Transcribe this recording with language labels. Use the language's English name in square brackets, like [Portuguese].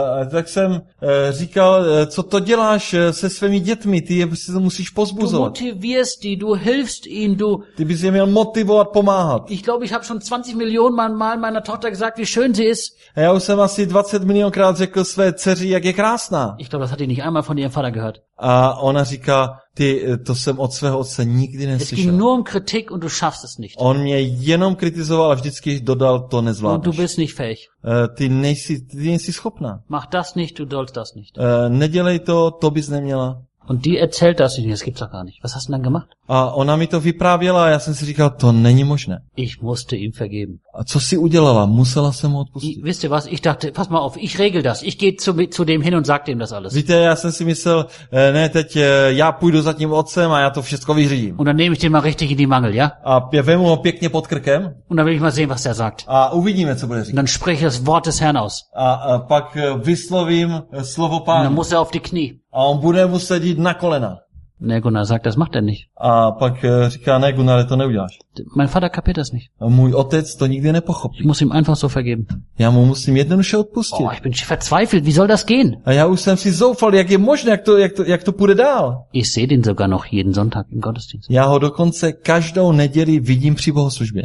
[Czech] Tak jsem říkal, co to děláš se svými dětmi, ty je si to musíš pozbuzovat. [German] Du motivierst die, du hilfst ihnen, du... [Czech] Ty bys je měl motivovat, pomáhat. [German] Ich glaube, ich habe schon 20 Millionen mal meiner Tochter gesagt, wie schön sie ist. [Czech] A já už jsem asi 20 milionkrát řekl své dceři, jak je krásná. [German] Ich glaube, das hat die nicht einmal von ihrem Vater gehört. [Czech] A ona říká, ty, to jsem od svého otce nikdy neslyšel. [German] Es ging nur um Kritik und du schaffst es nicht. [Czech] On mě jenom kritizoval a vždycky dodal, to nezvládneš. [German] Und du bist nicht fähig. [Czech] Ty nejsi schopná. [German] Mach das nicht, du sollst das nicht. [Czech] Nedělej to, to bys neměla. [German] Und die erzählt das nicht, das gibt's doch gar nicht. Was hast du denn gemacht? [Czech] A ona mi to vyprávěla a já jsem si říkal, to není možné. [German] Ich musste ihm vergeben. [Czech] A co jsi udělala? Musela jsem mu odpustit. [German] Wisst ihr was? Ich dachte, pass mal auf, ich regel das. Ich gehe zu dem hin und sag dem das alles. [Czech] Víte, já jsem si myslel, ne, teď já půjdu za tím otcem a já to všechno vyřídím. [German] Und dann nehme ich den mal richtig in die Mangel, ja? [Czech] A já vemu ho pěkně pod krkem. [German] Und dann will ich mal sehen, was der sagt. [Czech] A uvidíme, co bude říct. [German] Und dann spreche das Wort des Herrn aus. [Czech] A pak vyslovím slovo Pána. [German] Und dann muss er auf die Knie. [Czech] A on bude muset jít na kolena. [German] Ne, Gunnar sagt, das macht er nicht. [Czech] A pak říká, ne, Gunnar, to neuděláš. [German] Mein Vater kapiert das nicht. [Czech] Můj otec to nikdy nepochopí. [German] Ich muss ihm einfach so vergeben. [Czech] Já mu musím jednoduše odpustit. [German] Oh, ich bin verzweifelt, wie soll das gehen? [Czech] A já už jsem si zoufal, jak je možné, jak to půjde dál. [German] Ich sehe den sogar noch jeden Sonntag im Gottesdienst. [Czech] Já ho dokonce každou neděli vidím při bohoslužbě.